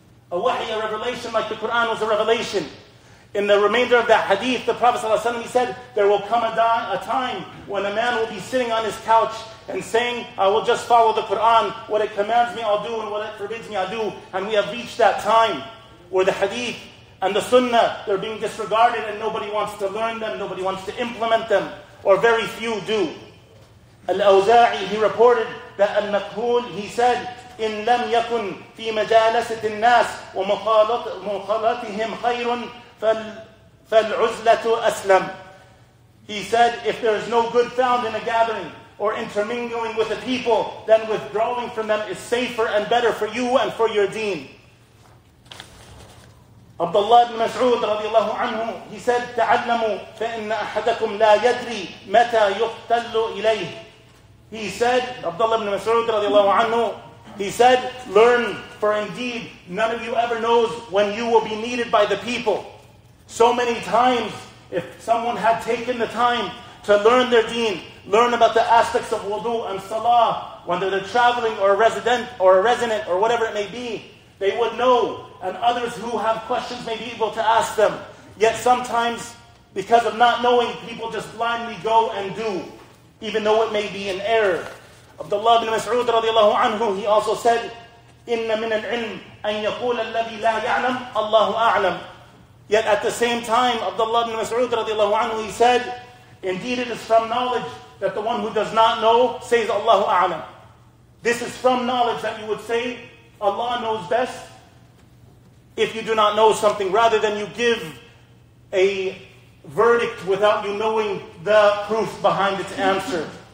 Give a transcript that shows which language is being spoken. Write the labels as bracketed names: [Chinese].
[English] A wahi, a revelation, like the Quran was a revelation. In the remainder of that hadith, the Prophet ﷺ, he said, there will come a time when a man will be sitting on his couch and saying, I will just follow the Quran. What it commands me, I'll do, and what it forbids me, I'll do. And we have reached that time where the hadith and the sunnah, they're being disregarded and nobody wants to learn them, nobody wants to implement them, or very few do. Al-Awza'i, he reported that Al-Maqhul, he said, [Arabic] إِن لَمْ يَكُنْ فِي مَجَالَسَةِ النَّاسِ وَمُخَالَطِهِمْ خَيْرٌ فَالْعُزْلَةُ أَسْلَمْ. [English] He said, if there is no good found in a gathering or intermingling with the people, then withdrawing from them is safer and better for you and for your deen. Abdullah ibn Mas'ud radiallahu anhu, he said, [Arabic] تَعَلَّمُوا فَإِنَّ أَحَدَكُمْ لَا يَدْرِي مَتَى يُقْتَلُّ إِلَيْهِ. [English] He said, Abdullah ibn Mas'ud radiallahu anhu, he said, learn, for indeed none of you ever knows when you will be needed by the people. So many times, if someone had taken the time to learn their deen, learn about the aspects of wudu and salah, whether they're traveling or a resident or whatever it may be, they would know, and others who have questions may be able to ask them. Yet sometimes, because of not knowing, people just blindly go and do, even though it may be an error. Abdullah ibn Mas'ud radiallahu anhu, he also said, [Arabic] إِنَّ مِنَ الْعِلْمِ أَنْ يَقُولَ الَّذِي لَا يَعْلَمْ اللَّهُ أَعْلَمْ. [English] Yet at the same time, Abdullah ibn Mas'ud radiallahu anhu, he said, indeed it is from knowledge that the one who does not know says Allahu A'lam. This is from knowledge that you would say Allah knows best if you do not know something, rather than you give a verdict without you knowing the proof behind its answer.